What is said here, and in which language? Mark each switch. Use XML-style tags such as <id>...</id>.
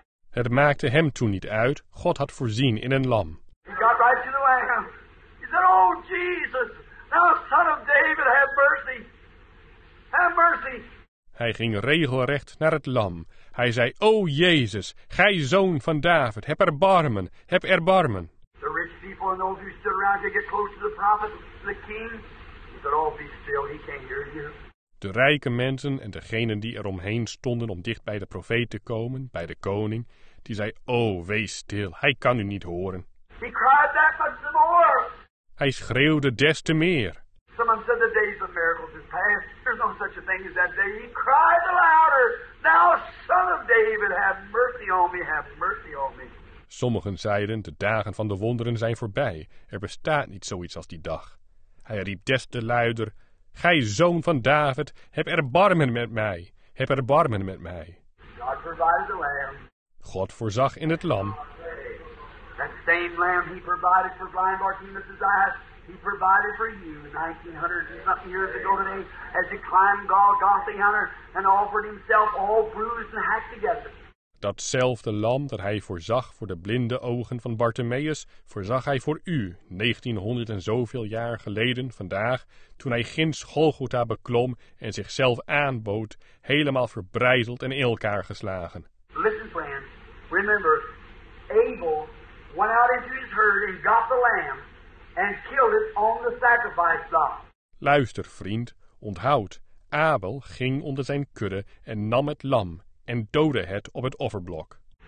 <nl>Het maakte hem toen niet uit. God had voorzien in een lam.</nl> <en>He got right to the lamb. He said, oh Jesus, thou son of David, have mercy. Have mercy.</en> <nl>Hij ging regelrecht naar het lam. Hij zei, o Jezus, gij zoon van David, heb erbarmen, heb erbarmen.</nl> <en>The rich people and those who stood around to get close to the prophet, the king, he said, oh, be still, he can't hear you.</en> <nl>De rijke mensen en degenen die er omheen stonden om dicht bij de profeet te komen, bij de koning, die zei, o, wees stil, hij kan u niet horen.</nl> <en>He cried that much the more.</en> <nl>Hij schreeuwde des te meer.</nl> <en>Someone said, the days of miracles is past. There's no such a thing as that day. He cried the louder. Now, son of David, have mercy on me, have mercy on me.</en> <nl>Sommigen zeiden, de dagen van de wonderen zijn voorbij. Er bestaat niet zoiets als die dag. Hij riep des te luider, gij zoon van David, heb erbarmen met mij. Heb erbarmen met mij.</nl> <en>God provided the lamb.</en> <nl>God voorzag in het lam.</nl> <en>That same lamb he provided for blind Bartimaeus' eyes, he provided for you 1900 and something years ago today, as he climbed Golgotha Hunter and offered himself all bruised and hacked together.</en> <nl>Datzelfde lam dat hij voorzag voor de blinde ogen van Bartimaeus, voorzag hij voor u, 1900 en zoveel jaar geleden, vandaag, toen hij ginds Golgotha beklom en zichzelf aanbood, helemaal verbrijzeld en in elkaar geslagen.</nl> <en>Listen, friend. Remember, Abel went out into his herd and got the lamb and killed it on the sacrifice block.</en> <nl>Luister, vriend, onthoud, Abel ging onder zijn kudde en nam het lam en doodde het op het offerblok.</nl>